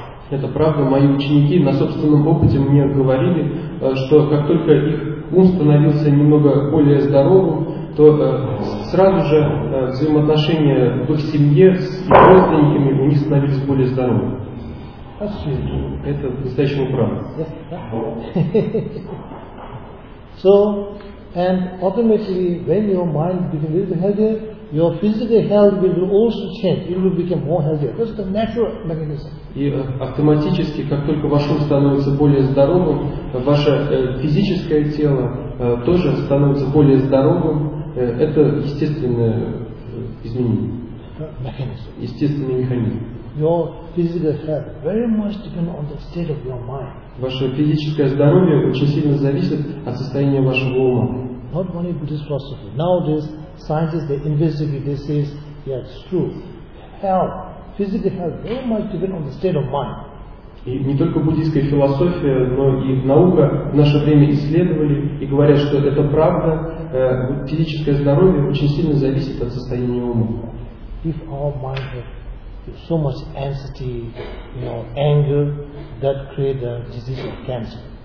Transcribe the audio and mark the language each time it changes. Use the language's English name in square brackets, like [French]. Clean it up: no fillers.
[Russian] Это правда, мои ученики на собственном опыте мне говорили, что как только их ум становился немного более здоровым, то сразу же взаимоотношения в их семье с их родственниками у них становились более здоровыми. Это по-настоящему правда. [English] So, and ultimately, when your mind becomes a little healthier, your physical health will also change. It will become more healthier. That's the natural mechanism. [Russian] И автоматически, как только ваш ум становится более здоровым, ваше физическое тело тоже становится более здоровым. Это естественное изменение. [English] Mechanism. [Russian] Естественный механизм. [English] Your physical health very much depends on the state of your mind. [Russian] Ваше физическое здоровье очень сильно зависит от состояния вашего ума. [English] Not only Buddhist philosophy. Nowadays, scientists they investigate. They say, yeah, it's true. Health, physical health, very much depends on the state of mind. [Russian] И не только буддийская философия, но и наука в наше время исследовали и говорят, что это правда. Физическое здоровье очень сильно зависит от состояния ума. [English] If our mind has so much anxiety, you know, anger, that creates the disease of cancer.